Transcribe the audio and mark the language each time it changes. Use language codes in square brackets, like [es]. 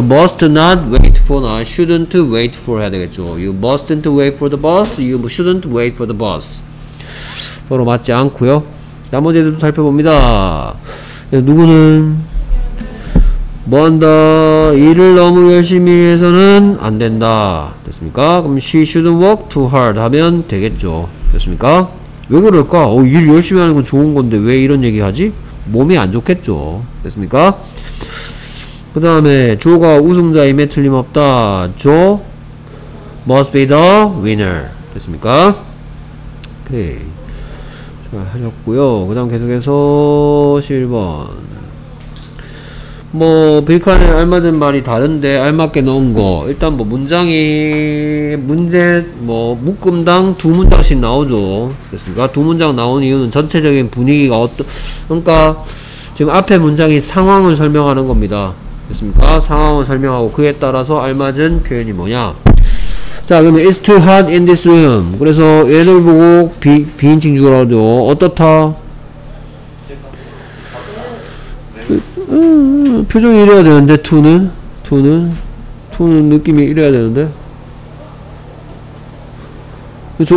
[en] must not wait for, not shouldn't wait for [ko] 해야 되겠죠. [en] you mustn't wait for the bus, you shouldn't wait for the bus. [ko] 서로 맞지 않고요. 나머지도 살펴봅니다. 누구는 뭐 한다 일을 너무 열심히 해서는 안 된다 됐습니까? 그럼 [en] she shouldn't work too hard [ko] 하면 되겠죠. 됐습니까? 왜 그럴까? 일 열심히 하는 건 좋은 건데 왜 이런 얘기 하지? 몸이 안 좋겠죠. 됐습니까? 그 다음에 조가 우승자임에 틀림없다. [en] 조 must be the winner [ko] 됐습니까? 오케이 하셨고요. 그 다음 계속해서 11번 뭐 빌칸에 알맞은 말이 다른데 알맞게 넣은 거 일단 뭐 문장이 문제 뭐 묶음당 두 문장씩 나오죠. 됐습니까? 두 문장 나온 이유는 전체적인 분위기가 어떤 그러니까 지금 앞에 문장이 상황을 설명하는 겁니다. 됐습니까? 상황을 설명하고 그에 따라서 알맞은 표현이 뭐냐. 자 그러면 [en] it's too hot in this room. [ko] 그래서 얘를 보고 비인칭 주라고 하죠. 어떻다? 표정이 이래야 되는데 2는 느낌이 이래야 되는데 그쵸.